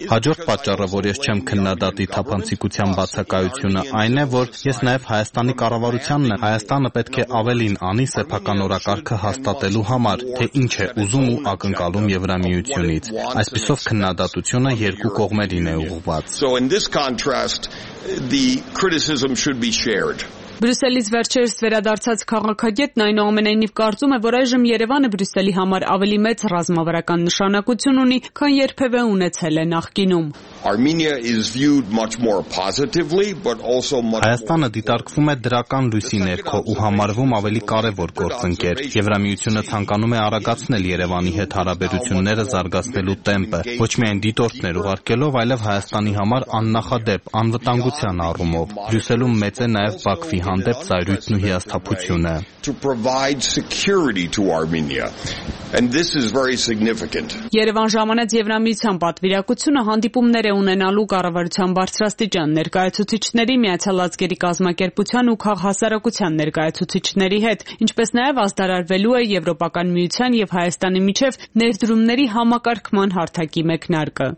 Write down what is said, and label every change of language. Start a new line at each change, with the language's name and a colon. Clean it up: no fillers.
Armenian: Հաջորդ պատճառը, որ ես չեմ քննադատի թափանցիկության բացակայությունը, այն է, որ ես նաև Հայաստանի կառավարությանն եմ։ Հայաստանը պետք է ավելին անի սեփական օրակարգը հաստատելու համար, թե ինչ է ուզում ու ակնկալում Եվրամիությունից։ Այսպիսով քննադատությունը երկու կողմերին է ուղղված։ Բրյուսելից վերջերս վերադարձած քաղաքագետն այնուամենայնիվ կարծում է, որ այժմ Երևանը Բրյուսելի համար ավելի մեծ ռազմավարական նշանակություն ունի, քան երբևէ ունեցել է նախկինում։
English: Armenia is viewed much more positively, but also much
Armenian: Հայաստանը դիտարկվում է դրական լույսի ներքո ու համարվում ավելի կարևոր գործընկեր։ Եվրամիությունը ցանկանում է արագացնել Երևանի հետ հարաբերությունները զարգացնելու տեմպը, ոչ միայն դիտորդներ ուղարկելով, այլև Հայաստանի համար աննախադեպ անվտանգության առումով։ Բրյուսելում մեծ է նաև Բաքվի հանդեպ ծայրույթն ու հիասթափությունը.
English: To provide security to Armenia. And this is very significant.
Armenian: Երևան ժամանեց Եվրամիության պատվիրակությունը հանդիպումներ է ունենալու կառավարության բարձրաստիճան ներկայացուցիչների, Միացյալ ազգերի կազմակերպության ու քաղհասարակության ներկայացուցիչների հետ, ինչպես նաև ազդարարվելու է Եվրոպական միության եւ Հայաստանի միջև ներդրումների համակարգման հարթակի մեկնարկը։